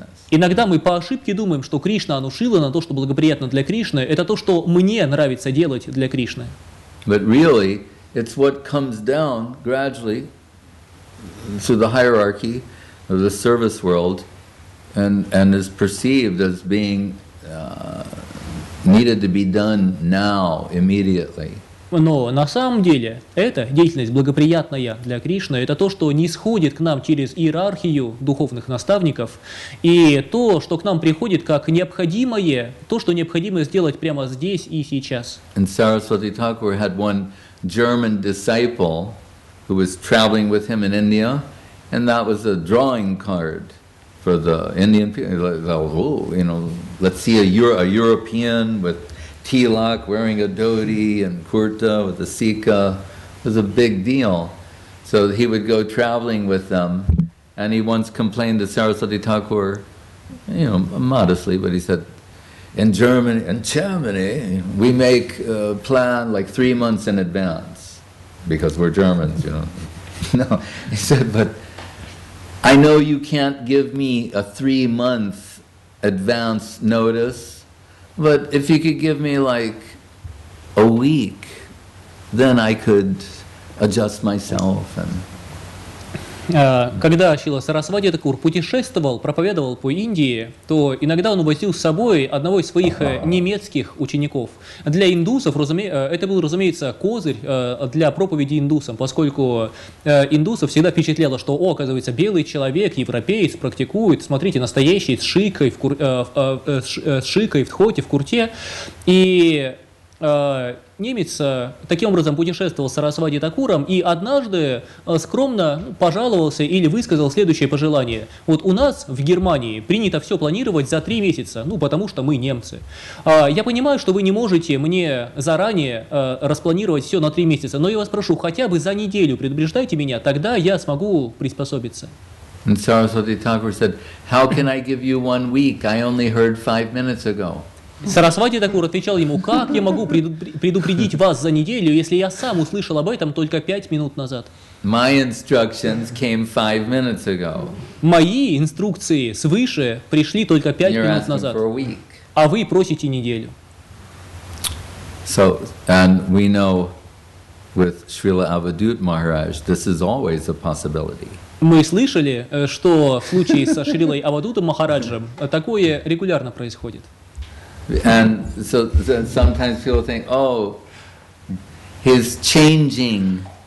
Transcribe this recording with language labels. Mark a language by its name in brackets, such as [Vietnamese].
[Russian] Иногда мы по ошибке думаем, что Кришна Анушилана, то, что благоприятно для Кришны, это то, что мне нравится делать для Кришны. [English] But really, it's what comes down gradually through the hierarchy of the service world and is perceived as being needed to be done now, immediately. [Russian] Но на самом деле эта деятельность благоприятная для Кришны, это то, что нисходит к нам через иерархию духовных наставников, и то, что к нам приходит как необходимое, то, что необходимо сделать прямо здесь и сейчас. [English] And Saraswati Thakur had one German disciple who was traveling with him in India, and that was a drawing card for the Indian people. Oh, you know, let's see a European with tilak, wearing a dhoti and kurta with a sikha. It was a big deal. So he would go traveling with them, and he once complained to Saraswati Thakur, you know, modestly, but he said, in Germany, we make a plan like 3 months in advance, because we're Germans, you know. No, he said, but I know you can't give me a 3 month advance notice, but if you could give me like a week, then I could adjust myself and... [Russian] Когда Шрила Сарасвати Такур путешествовал, проповедовал по Индии, то иногда он увозил с собой одного из своих немецких учеников. Для индусов, это был, разумеется, козырь для проповеди индусам, поскольку индусов всегда впечатляло, что, о, оказывается, белый человек, европеец, практикует, смотрите, настоящий, с шикой, в тхоте, в курте. И немец таким образом путешествовал с Сарасвати Такуром и однажды скромно пожаловался или высказал следующее пожелание. Вот у нас в Германии принято все планировать за 3 месяца, ну потому что мы немцы. Я понимаю, что вы не можете мне заранее распланировать все на 3 месяца, но я вас прошу, хотя бы за неделю предупреждайте меня, тогда я смогу приспособиться. [English] And Saraswati Thakur said, how can I give you 1 week? I only heard 5 minutes ago. [Russian] Сарасвати Такур отвечал ему, как я могу предупредить вас за неделю, если я сам услышал об этом только 5 минут назад? [English] My instructions came 5 minutes ago. [Russian] Мои инструкции свыше пришли только 5 минут назад, а вы просите неделю. [English] So, and we know with Srila Avadhut Maharaj, this is always a possibility. [Russian] Мы слышали, что в случае со Шрилой Авадутом Махараджем такое регулярно происходит. [English] And so sometimes people think, oh, he's changing.